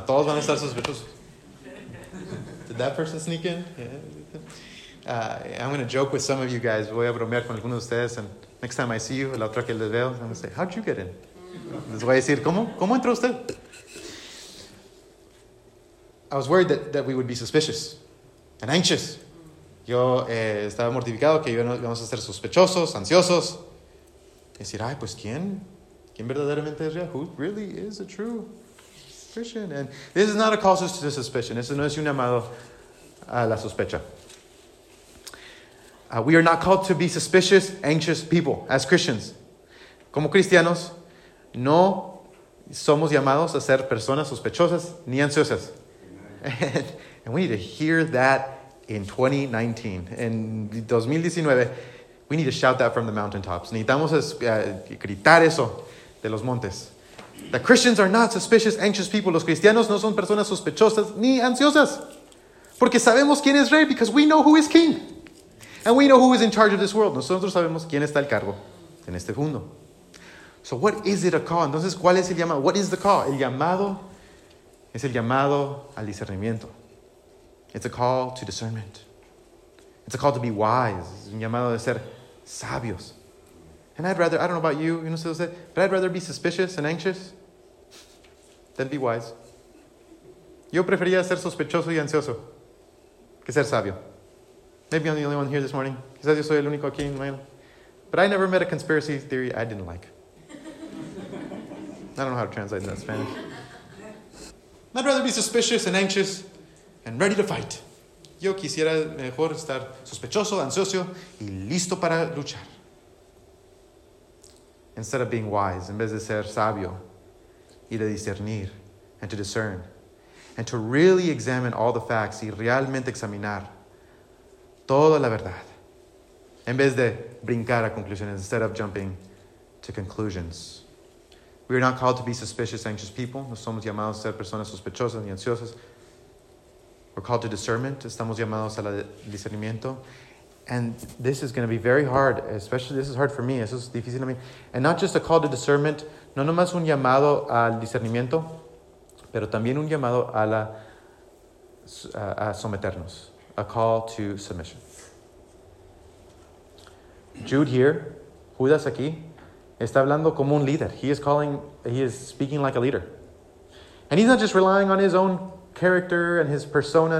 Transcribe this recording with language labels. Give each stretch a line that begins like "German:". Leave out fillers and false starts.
Spanish: Todos van a estar sospechosos.
English: Did that person sneak in? Yeah. I'm going to joke with some of you guys.
Spanish: Voy a bromear con algunos de ustedes.
English: And next time I see you,
Spanish: la otra que les veo,
English: I'm going to say, how'd you get in?
Spanish: Les voy a decir, ¿cómo entró usted?
English: I was worried that we would be suspicious and anxious.
Spanish: yo estaba mortificado que íbamos a ser sospechosos, ansiosos. Y decir, ay, pues, ¿quién verdaderamente es real?
English: Who really is a true Christian? And this is not a cause to the suspicion.
Spanish: Eso no es un llamado a la sospecha.
English: We are not called to be suspicious, anxious people as Christians.
Spanish: Como cristianos, no somos llamados a ser personas sospechosas ni ansiosas.
English: And we need to hear that in 2019. En 2019, we need to shout that from the mountaintops.
Spanish: Necesitamos gritar eso de los montes.
English: The Christians are not suspicious, anxious people.
Spanish: Los cristianos no son personas sospechosas ni ansiosas. Porque sabemos quién es rey,
English: because we know who is king. And we know who is in charge of this world.
Spanish: Nosotros sabemos quién está al cargo en este mundo.
English: So what is it a call?
Spanish: Entonces, ¿cuál es el llamado?
English: What is the call?
Spanish: El llamado es el llamado al discernimiento.
English: It's a call to discernment. It's a call to be wise.
Spanish: Es un llamado de ser sabios.
English: And I don't know about you, you know, so said, but I'd rather be suspicious and anxious than be wise.
Spanish: Yo prefería ser sospechoso y ansioso que ser sabio.
English: Maybe I'm the only one here this morning.
Spanish: Quizás yo soy el único aquí en mañana.
English: But I never met a conspiracy theory I didn't like. I don't know how to translate that in Spanish. I'd rather be suspicious and anxious and ready to fight.
Spanish: Yo quisiera mejor estar sospechoso, ansioso y listo para luchar.
English: Instead of being wise,
Spanish: en vez de ser sabio y de discernir
English: and to discern and to really examine all the facts
Spanish: y realmente examinar toda la verdad. En vez de brincar a conclusiones,
English: instead of jumping to conclusions. We are not called to be suspicious, anxious people.
Spanish: No somos llamados a ser personas sospechosas ni ansiosas.
English: We're called to discernment.
Spanish: Estamos llamados al discernimiento.
English: And this is going to be very hard, especially this is hard for me.
Spanish: Eso es difícil a mí.
English: And not just a call to discernment,
Spanish: no nomás un llamado al discernimiento, pero también un llamado a la a someternos.
English: A call to submission.
Spanish: Jude here, Judas aquí, está hablando como un líder.
English: He is speaking like a leader. And he's not just relying on his own character and his persona.